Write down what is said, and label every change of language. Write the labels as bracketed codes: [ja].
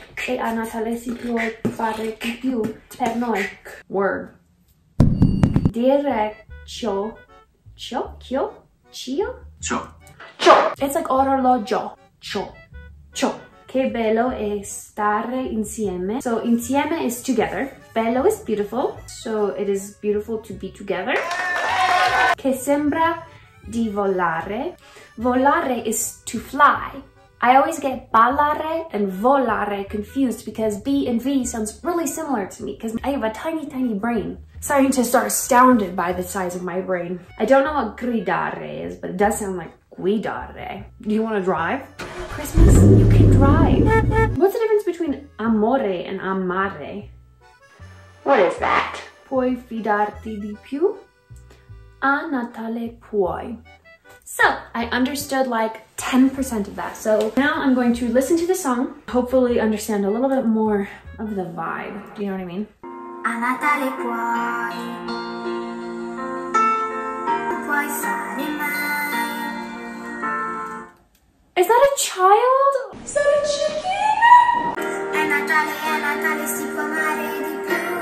[it] E a Natale si può fare di più per noi. [en] Word. [it] Dire ciò. Ciò? Chio? Cio? Ciò. Ciò! It's like orologio. Ciò. Ciò. Che bello è stare insieme. [en] So, insieme is together. Bello is beautiful. So, it is beautiful to be together. Che sembra di volare. Volare is to fly. I always get ballare and volare confused because B and V sounds really similar to me because I have a tiny, tiny brain. Scientists are astounded by the size of my brain. I don't know what gridare is, but it does sound like guidare. Do you want to drive? Christmas, you can drive. What's the difference between amore and amare? What is that? [it] Puoi fidarti di più? A Natale puoi. [en] So, I understood like 10% of that. So now I'm going to listen to the song, hopefully understand a little bit more of the vibe. Do you know what I mean? [it] A Natale puoi, puoi fare mai. [en] Is that a child? Is that a chicken? [it] A Natale si può amare di più.